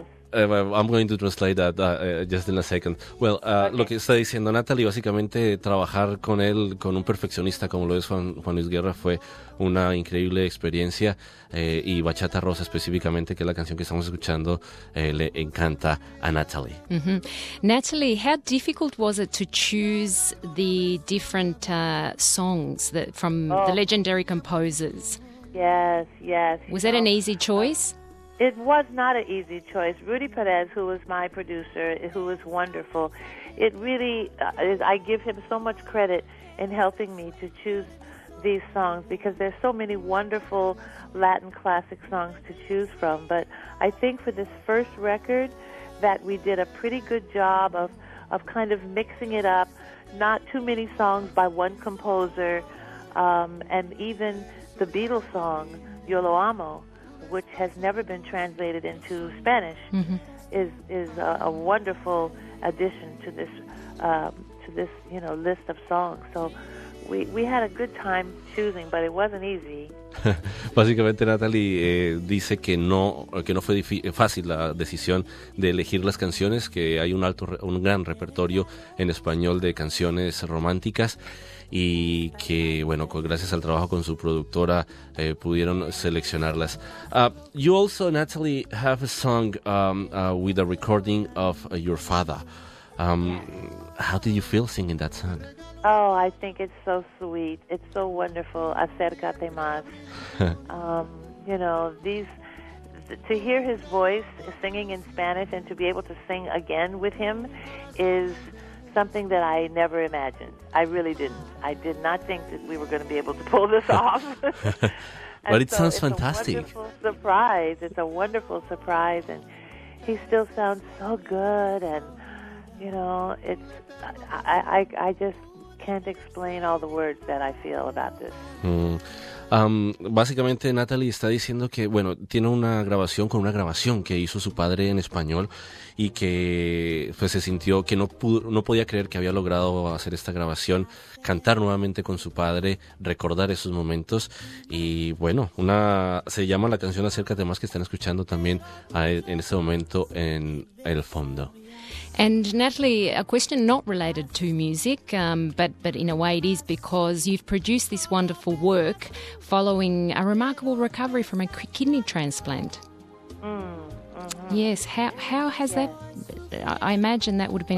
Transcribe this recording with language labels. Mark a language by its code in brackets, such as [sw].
[en] I'm going to translate that just in a second. [es] Well, lo que está diciendo Natalie, básicamente trabajar con él, con un perfeccionista como lo es Juan Luis Guerra, fue una increíble experiencia, y Bachata Rosa específicamente, que es la canción que estamos escuchando, le encanta a Natalie. Mm-hmm. [en] Natalie, how difficult was it to choose the different songs that from the legendary composers? Yes. Was that an easy choice? It was not an easy choice. Rudy Perez, who was my producer, who was wonderful, it really, I give him so much credit in helping me to choose these songs because there's so many wonderful Latin classic songs to choose from. But I think for this first record that we did a pretty good job of kind of mixing it up, not too many songs by one composer, and even the Beatles song, Yo Lo Amo, which has never been translated into Spanish, is a wonderful addition to this list of songs. So we had a good time choosing, but it wasn't easy. [es] Básicamente Natalie dice que no fue fácil la decisión de elegir las canciones, que hay un gran repertorio en español de canciones románticas. Y que, bueno, gracias al trabajo con su productora, pudieron seleccionarlas. [en] You also, Natalie, have a song with a recording of your father. How did you feel singing that song? Oh, I think it's so sweet. It's so wonderful. Acércate más. To hear his voice singing in Spanish and to be able to sing again with him is something that I never imagined. I really didn't. I did not think that we were going to be able to pull this off. But it sounds fantastic. It's a wonderful surprise. It's a wonderful surprise. And he still sounds so good. And, you know, it's, I just can't explain all the words that I feel about this. [es] Básicamente Natalie está diciendo que, bueno, tiene una grabación con una grabación que hizo su padre en español y que pues se sintió que no podía creer que había logrado hacer esta grabación, cantar nuevamente con su padre, recordar esos momentos. Y bueno, se llama la canción Acércate Más, que están escuchando también en este momento en el fondo. [en] And Natalie, a question not related to music, but in a way it is, because you've produced this wonderful work following a remarkable recovery from a kidney transplant. Yes, how has that? I imagine that would have been